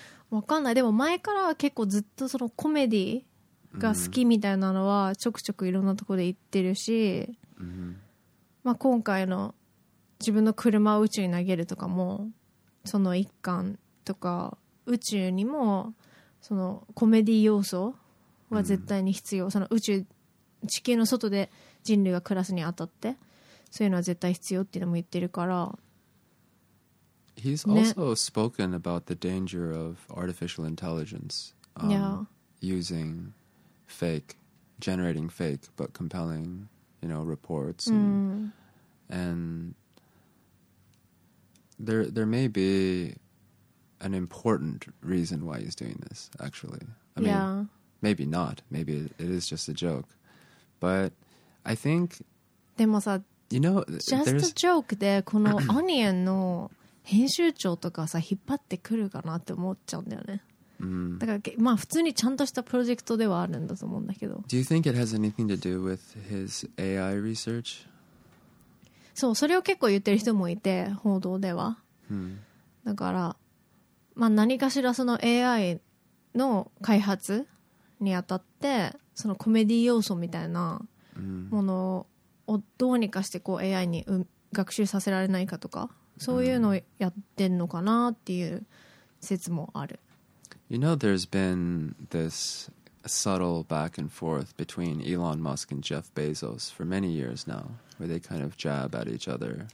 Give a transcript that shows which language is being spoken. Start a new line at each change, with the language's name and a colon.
Japanese: わかんない。でも前からは結構ずっとそのコメディが好きみたいなのはちょくちょくいろんなところで言ってるし、まあ、今回の自分の車を宇宙に投げるとかもその一環とか、宇宙にもそのコメディ要素は絶対に必要、その宇宙、地球の外で人類が暮らすにあたってそういうのは絶対必要っていうのも言ってるから。
English: He's also spoken about the danger of artificial intelligence using fake, generating fake but compelling, you know, reports. And there may be an important reason why he's doing this, actually. I mean, maybe not. Maybe it is just a joke. But I think...
Japanese: でもさ、
English: you know, just a joke
Japanese: でこの Onion の編集長とかさ引っ張ってくるかなって思っちゃうんだよね。だからまあ普通にちゃんとしたプロジェクトではあるんだと思うんだけど。
English: Do you think it has anything to do with his AI research?
Japanese: そう、それを結構言ってる人もいて、報道では。だから、まあ何かしらその AI の開発にあたって、そのコメディ要素みたいなものをどうにかしてこう AI に学習させられないかとか。そういうのをやってんのかなっていう説もある。
English: You know, there's been this subtle back and forth between Elon Musk and Jeff Bezos for many years now, where they kind of jab at each other.